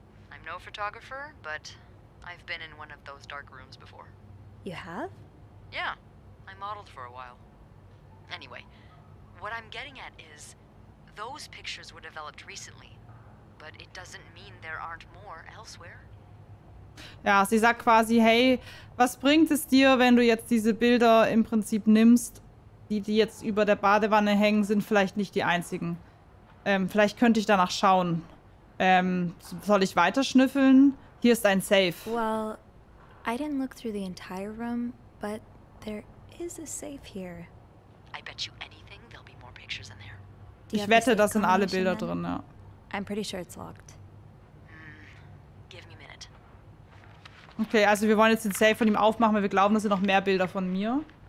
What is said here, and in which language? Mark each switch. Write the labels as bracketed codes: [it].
[en] I'm no photographer, but I've been in one of those dark rooms before. You have? Yeah, I modeled for a while. Anyway, what I'm getting at is. Those pictures were developed recently, but it doesn't mean there aren't more elsewhere. [de] Ja, sie sagt quasi, hey, was bringt es dir, wenn du jetzt diese Bilder im Prinzip nimmst, die jetzt über der Badewanne hängen, sind vielleicht nicht die einzigen. Vielleicht könnte ich danach schauen. Soll ich weiter schnüffeln? Hier ist ein Safe. [en] Well, I didn't look through the entire room, but there is a safe here. I bet you anything there'll be more pictures in there. [de] Ich wette, das sind alle Bilder drin, ja. [en] I'm pretty sure it's locked. Give me a minute. [de] Okay, also wir wollen jetzt den Safe von ihm aufmachen, weil wir glauben, dass er noch mehr Bilder von mir.